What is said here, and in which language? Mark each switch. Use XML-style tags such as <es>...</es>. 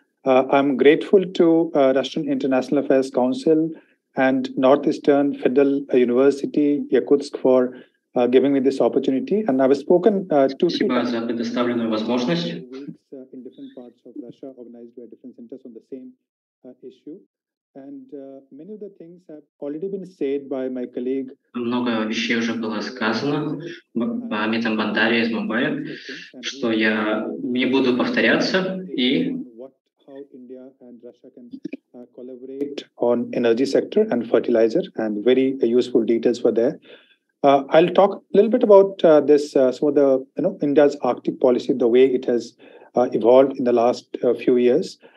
<en>I'm grateful to Russian International Affairs Council and Northeastern Federal University, Yakutsk, for giving me this opportunity. And I've spoken in different parts of Russia, organized by different centers on the same issue. And many of the things have already been said by my colleague.</en> <ru>Много вещей уже было сказано Амитом Бандари из Мумбаи, что я не буду повторяться. И</ru> <en>how India and Russia can collaborate on energy sector and fertilizer, and very useful details were there. I'll talk a little bit about this, some of the, you know, India's Arctic policy, the way it has evolved in the last few years.</en>